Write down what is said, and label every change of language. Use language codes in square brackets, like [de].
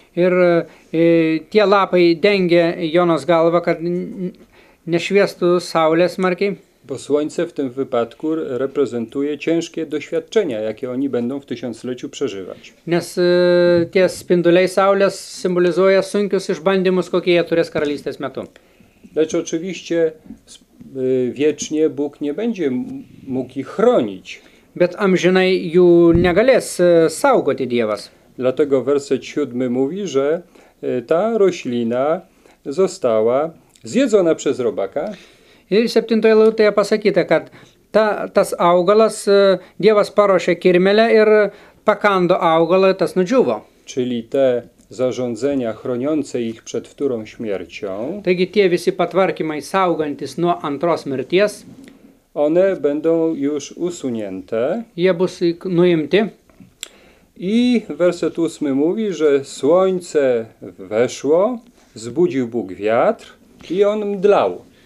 [lt] Ir tie lapai dengė Jonos galvą, kad nešviestų saulė smarkiai. [pl] Bo słońce w tym wypadku reprezentuje ciężkie doświadczenia, jakie oni będą w tysiącleciu przeżywać. [lt] Nes tie spinduliai saulės symbolizuoja sunkius išbandymus, kokie jie turės karalystės metu. [pl] Lecz oczywiście wiecznie Bóg nie będzie mógł ich chronić. [lt] Bet amžinai jų negalės saugoti Dievas. [pl] Dlatego werset 7 mówi, że ta roślina została zjedzona przez robaka. [lt] Ir septintoje lūtėje pasakyta, kad tas augalas Dievas paruošė kirmelę ir pakando augalą, tas nudžiuvo. [pl] Czyli te zarządzenia chroniące ich przed wtórą śmiercią. [lt] Taigi tie visi patvarkymai saugantis nuo antros mirties. [pl] One będą już usunięte. [lt] Jie bus nuimti. [pl] I werset 8 mówi, że słońce weszło, zbudził Bóg wiatr i on mdlał.